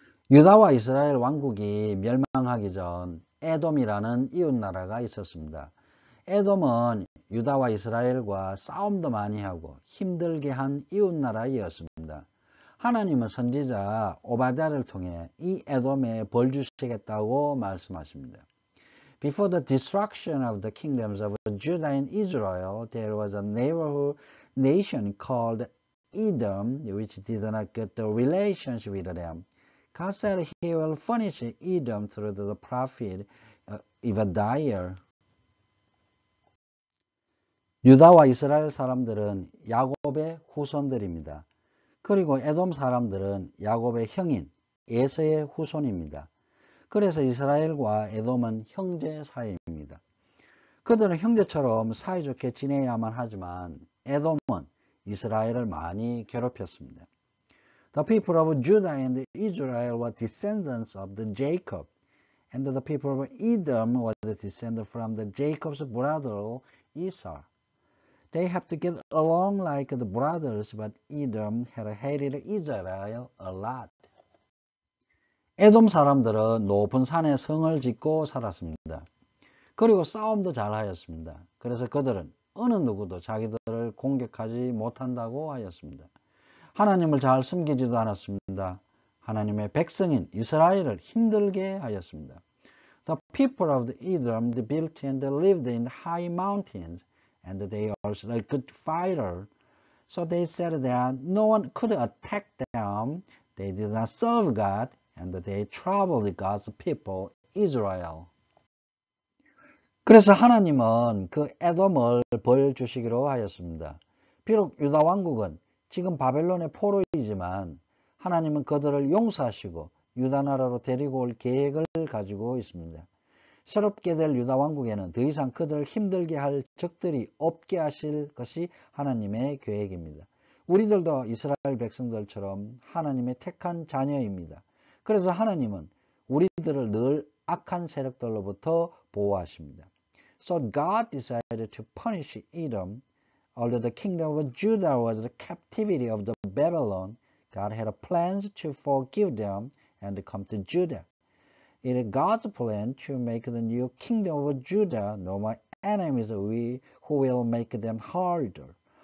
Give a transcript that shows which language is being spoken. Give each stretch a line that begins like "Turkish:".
Korean: 유다와 이스라엘 왕국이 멸망하기 전 에돔이라는 이웃나라가 있었습니다. 에돔은 유다와 이스라엘과 싸움도 많이 하고 힘들게 한 이웃나라이었습니다. 하나님은 선지자 오바댜를 통해 이 에돔에 벌 주시겠다고 말씀하십니다.
English: Before the destruction of the kingdoms of Judah and Israel, there was a neighborhood nation called Edom, which did not get the relationship with them. God said he will punish Edom through the prophet Obadiah.
Korean: 유다와 이스라엘 사람들은 야곱의 후손들입니다. 그리고 에돔 사람들은 야곱의 형인 에서의 후손입니다. 그래서 이스라엘과 에돔은 형제 사이입니다. 그들은 형제처럼 사이좋게 지내야만 하지만 에돔은 이스라엘을 많이 괴롭혔습니다.
English: The people of Judah and Israel were descendants of the Jacob, and the people of Edom were descended from the Jacob's brother Esau. They have to get along like the brothers, but Edom had hated Israel a lot.
Korean: 에돔 사람들은 높은 산에 성을 짓고 살았습니다. 그리고 싸움도 잘 하였습니다. 그래서 그들은 어느 누구도 자기들을 공격하지 못한다고 하였습니다. 하나님을 잘 숨기지도 않았습니다. 하나님의 백성인 이스라엘을 힘들게 하였습니다.
English: The people of Edom built and lived in high mountains, and they also a good fighter. So they said that no one could attack them. They did not serve God, and they troubled God's people, Israel.
Korean: 그래서 하나님은 그 에돔을 벌 주시기로 하였습니다. 비록 유다 왕국은 지금 바벨론의 포로이지만 하나님은 그들을 용서하시고 유다 나라로 데리고 올 계획을 가지고 있습니다. 새롭게 될 유다 왕국에는 더 이상 그들을 힘들게 할 적들이 없게 하실 것이 하나님의 계획입니다. 우리들도 이스라엘 백성들처럼 하나님의 택한 자녀입니다. 그래서 하나님은 우리들을 늘 악한 세력들로부터 보호하십니다.
English: So God decided to punish Edom. Although the kingdom of Judah was the captivity of the Babylon, God had plans to forgive them and come to Judah. It is God's plan to make the new kingdom of Judah no more enemies who will make them harder.